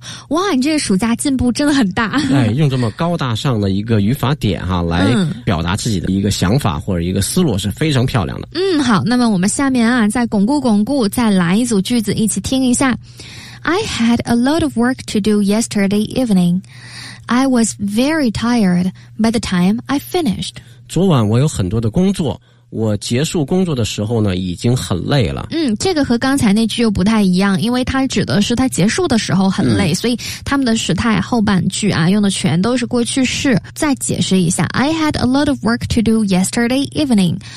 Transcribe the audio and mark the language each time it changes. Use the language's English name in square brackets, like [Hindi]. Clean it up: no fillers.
[Chinese] 哎，哇你这个暑假进步真的很大，哎，用这么高大上的一个语法点哈，啊，来表达自己的一个想法或者一个思路是非常漂亮的。嗯，好，那么我们下面啊再巩固巩固再来一组句子一起听一下。 [English] I had a lot of work to do yesterday evening. I was very tired by the time I finished. [Chinese] 昨晚我有很多的工作，我结束工作的时候呢已经很累了。嗯，这个和刚才那句又不太一样，因为它指的是他结束的时候很累，嗯，所以他们的时态后半句啊用的全都是过去式。再解释一下， [English] I had a lot of work to do yesterday evening.